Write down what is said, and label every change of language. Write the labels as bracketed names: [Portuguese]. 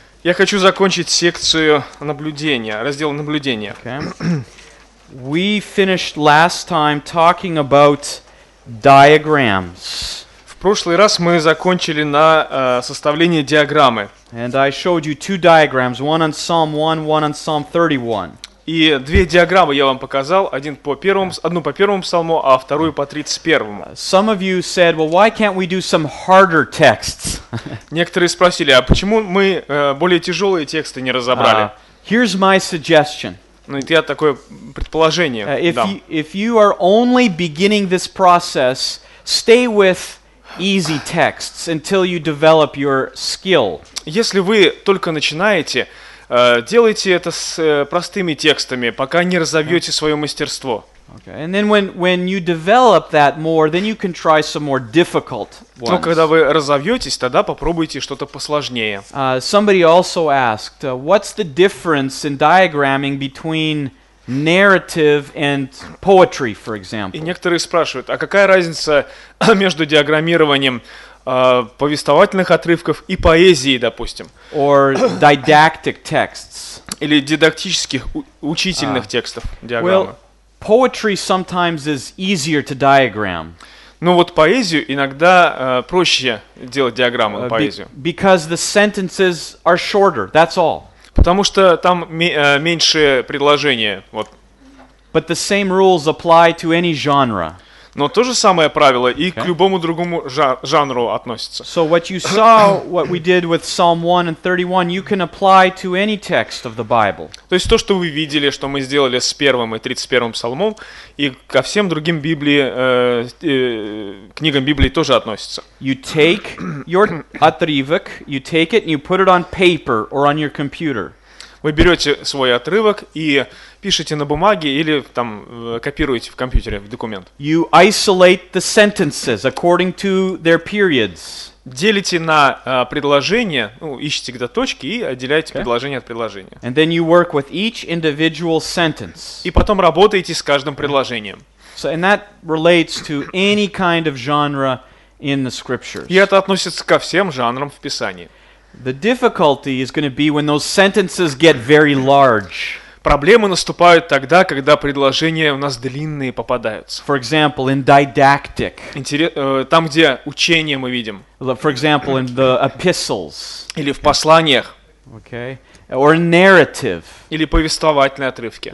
[Russian] Я хочу закончить секцию наблюдения, раздел наблюдения. [English] Okay. We finished last time talking about diagrams. [Russian] В прошлый раз мы закончили на составлении диаграммы. [English] And I showed you two diagrams, one on Psalm 1, one on Psalm 31. [Russian] И две диаграммы я вам показал, один по первому, одну по первому псалму, а вторую по 31-му. [English] Some of you said, well, why can't we do some harder texts? [Russian] Некоторые спросили, а почему мы более тяжелые тексты не разобрали? [English] Here's my suggestion. [Russian] Ну, это я такое предположение дам. [English] If you are only beginning this process, stay with easy texts until you develop your skill. [Russian] Если вы только начинаете, делайте это с простыми текстами, пока не разовьете свое мастерство. [English] Okay. And then when you develop that more, then you can try some more difficult ones. [Russian] Но когда вы разовьетесь, тогда попробуйте что-то посложнее. [English] Somebody also asked, what's the difference in diagramming between narrative and poetry, for example? [Russian] И некоторые спрашивают, а какая разница между диаграммированием повествовательных отрывков и поэзии, допустим? [English] Or didactic texts. [Russian] Или дидактических, учительных текстов, диаграммы. [English] Well, poetry sometimes is easier to diagram. [Russian] Ну вот поэзию иногда проще делать диаграмму на поэзию. [English] Because the sentences are shorter, that's all. [Russian] Потому что там меньше предложения, вот. [English] But the same rules apply to any genre. [Russian] Но то же самое правило и к любому другому жанру относится. [English] So what you saw, what we did with Psalm 1 and 31, you can apply to any text of the Bible. [Russian] То есть то, что вы видели, что мы сделали с первым и 31-м псалмом, и ко всем другим Библии, книгам Библии тоже относится. [English] You take your отрывок, you take it and you put it on paper or on your computer. [Russian] Вы берете свой отрывок и пишете на бумаге или там копируете в компьютере, в документ. [English] You isolate the sentences according to their periods. [Russian] Делите на предложения, ну, ищите где-то точки и отделяете предложение от предложения. [English] And then you work with each individual sentence. [Russian] И потом работаете с каждым предложением. [English] So, and that relates to any kind of genre in the scriptures. [Russian] И это относится ко всем жанрам в Писании. [English] The difficulty is going to be when those sentences get very large. [Russian] Проблемы наступают тогда, когда предложения у нас длинные попадаются. [English] For example, in didactic. [Russian] Там, где учение мы видим. [English] For example, in the epistles. [Russian] Или в посланиях. [English] Okay. Or narrative. [Russian] Или повествовательные отрывки.